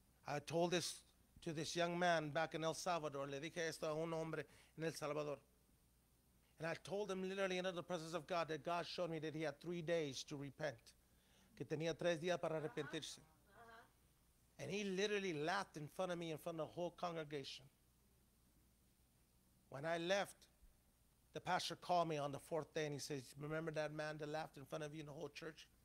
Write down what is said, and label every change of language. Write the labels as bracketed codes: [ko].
[en] I told this to this young man back in El Salvador. [es] Le dije esto a un hombre en El Salvador. [en] And I told him literally in the presence of God that God showed me that he had 3 days to repent. [es] Que tenía tres días para arrepentirse. [en] And he literally laughed in front of me, in front of the whole congregation. When I left, the pastor called me on the fourth day and he says, remember that man that laughed in front of you in the whole church?